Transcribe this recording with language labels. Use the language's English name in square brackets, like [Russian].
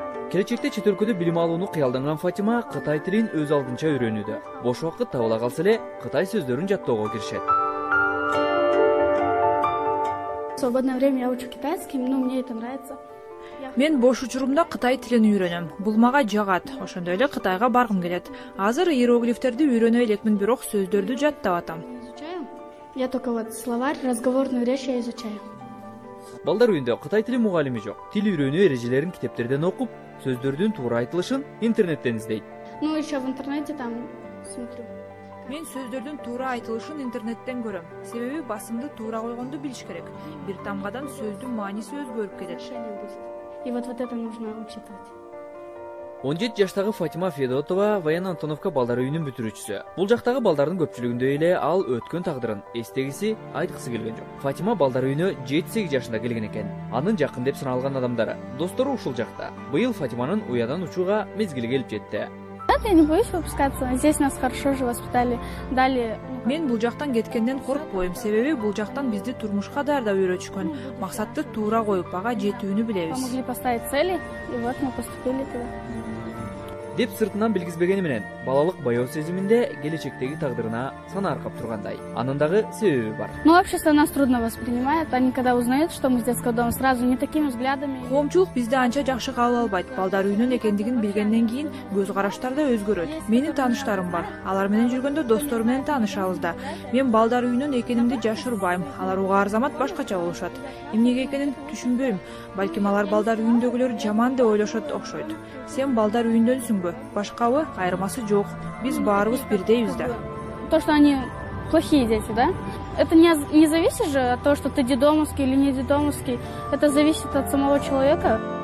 [Kyrgyz] Келечекте чет өлкөдө билим алууну кыялданган Фатима кытай тилин өз алдынча үйрөнүүдө. Бош убакыт табыла калса эле кытай сөздөрүн жаттоого киришет. [Russian] Свободное время я учу китайский, но мне это нравится. [Kyrgyz] Мен бош учурумда кытай тилин үйрөнөм. Бул мага жагат. Ошондой эле Кытайга баргым келет. Азыр иероглифтерди үйрөнө элекмин, бирок сөздөрдү жаттап атам. [Russian] Я только вот словарь, разговорную речь я изучаю. [Kyrgyz] Балдар үйүндө кытай тили мугалими жок. Тил үйрөнүү эрежелерин китептерден окуп, сөздөрдүн туура айтылышын интернеттен издейт. [Russian] Ну, еще в интернете там смотрю. [Kyrgyz] Мен сөздөрдүн туура айтылышын интернеттен көрөм. Себеби басымды туура койгонду билиш керек. Бир тамгадан сөздүн мааниси өзгөрүп кетет. [Russian] И вот это нужно учитывать. [Kyrgyz] 17 жаштагы Фатима Федотова Баян Антоновка балдар үйүнүн бүтүрүүчүсү. Бул жактагы балдардын көпчүлүгүндө эле ал өткөн тагдырын эстегиси айткысы келген жок. Фатима балдар үйүнө 7-8 жашында келген экен. Анын жакын деп саналган адамдары, достору ушул жакта. Быйыл Фатиманын уядан учууга мезгили келип жетти. [Russian] Я не боюсь выпускаться. Здесь нас хорошо же воспитали. Дали. [Kyrgyz] Мен бул жактан кеткенден коркпойм, себеби бул жактан бизди турмушка даярдап үйрөтүшкөн. Максатты туура коюп, ага жетүүнү билебиз. [Russian] Помогли поставить цели, и вот мы поступили туда. [Kyrgyz] деп сыртынан билгизбегени менен балалык боёо сезиминде келечектеги тагдырына санаа аркап тургандай. Анын дагы себеби бар. [Russian] Ну вообще со нас трудно воспринимают, они когда узнают, что мы с детского дома, сразу не такими взглядами. [Kyrgyz] Коомчулук бизди анча жакшы кабыл албайт. Балдар үйүнүн экендигин билгенден кийин көз караштар да өзгөрөт. Менин тааныштарым бар. Алар менен жүргөндө достор менен таанышабыз да. Мен балдар үйүнүн экенимди жашырбайм. Алар уга ар замат башкача болушат. Эмнеге экенин түшүнбөйм. Балким алар балдар үйүндөгүлөр жаман деп ойлошот окшойт. Сен балдар үйүндөнсүңбү? Башкабы? Айырмасы жок. Биз баарыбыз бирдейбиз да. [Russian] То, что они плохие дети, да? Это не зависит же от того, что ты детдомовский или не детдомовский. Это зависит от самого человека.